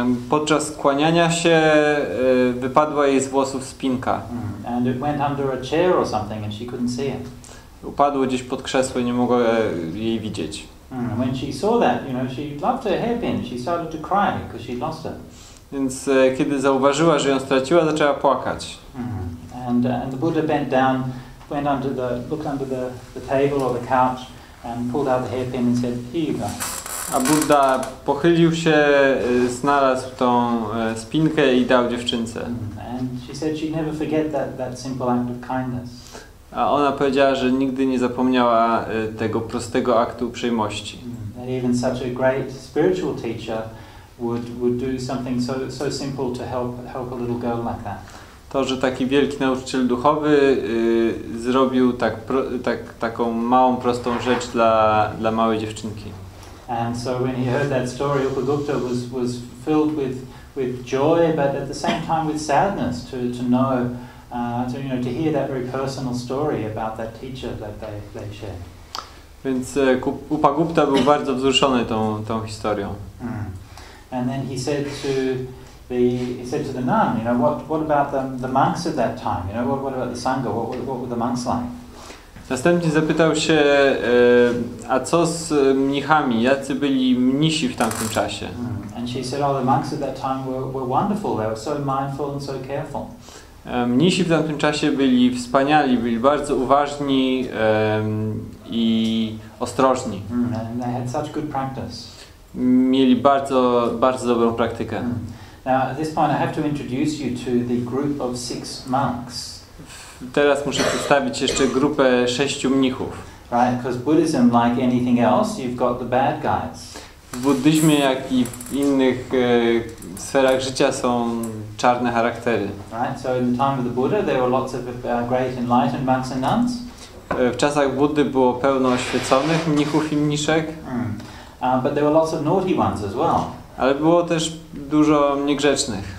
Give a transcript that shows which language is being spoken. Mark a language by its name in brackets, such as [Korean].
[Polish] Podczas kłaniania się wypadła jej z włosów spinka. [English] And it went under a chair or something, and she couldn't see it. [Polish] Upadło gdzieś pod krzesło i nie mogła jej widzieć. [English] And when she saw that, you know, she loved her hairpin. She started to cry because she lost it. [Polish] Więc kiedy zauważyła, że ją straciła, zaczęła płakać. [English] And the Buddha bent down, went under the, looked under the table or the couch, and pulled out the hairpin and said, "Here you go." [Polish] A Buddha pochylił się, znalazł tą spinkę i dał dziewczynce. [English] And she said she'd never forget that simple act of kindness. [Polish] A ona powiedziała, że nigdy nie zapomniała tego prostego aktu uprzejmości. [English] That even such a great spiritual teacher would do something so simple to help a little girl like that. [Polish] To, że taki wielki nauczyciel duchowy zrobił taką małą, prostą rzecz dla małej dziewczynki. [English] And so when he heard that story, Upagupta was filled with joy, but at the same time with sadness to know, to hear that very personal story about that teacher that they shared. [Polish] Więc Upagupta był bardzo wzruszony tą historią. [English] And then he said to the nun, you know, what about the monks at that time? You know, what about the sangha? What were the monks like? [Polish] Następnie zapytał się, a co z mnichami? Jacy byli mnisi w tamtym czasie? [English] And she said, "Oh, the monks at that time were wonderful. They were so mindful and so careful." [Polish] Mnisi w tamtym czasie byli wspaniali, byli bardzo uważni i ostrożni. [English] And they had such good practice. [Polish] Mieli bardzo, bardzo dobrą praktykę. [English] Now, at this point, I have to introduce you to the group of 6 monks. [Polish] Teraz muszę przedstawić jeszcze grupę 6 mnichów. [English] Right, because Buddhism, like anything else, you've got the bad guys. [Polish] w buddyzmie, jak i w innych sferach życia są czarne charaktery. [English] Right, so in the time of the Buddha, there were lots of great enlightened monks and nuns. [Polish] W czasach Buddy było pełno oświeconych mnichów i mniszek. [English] But there were lots of naughty ones as well. [Polish] Ale było też dużo niegrzecznych.